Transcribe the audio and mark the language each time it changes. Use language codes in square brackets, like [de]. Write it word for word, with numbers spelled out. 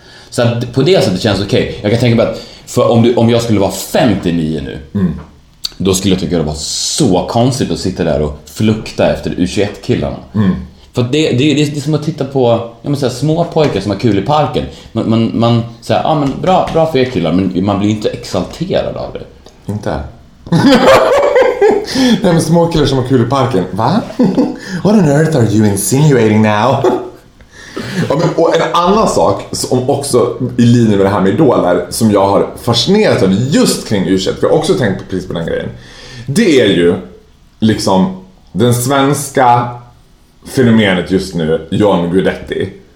[sv] Så att på det sättet känns det okej. Jag kan tänka på att för om, du, om jag skulle vara femtionio nu, då skulle jag tycka det var så konstigt att sitta där och flukta efter U tjugoett-killarna. För att det, det, det är som att titta på ja, men så här, små pojkar som har kul i parken. Man, man, man säger, ja ah, men bra, bra för er killar, men man blir ju inte exalterad av det. Inte. Nej, men små killar som har kul i parken. Va? [en] What on earth are you insinuating now? [sv] Ja, men, och en annan sak som också i linje med det här med idoler, som jag har fascinerats av just kring u, för jag har också tänkt på precis på den grejen, det är ju liksom den svenska fenomenet just nu, John Guidetti.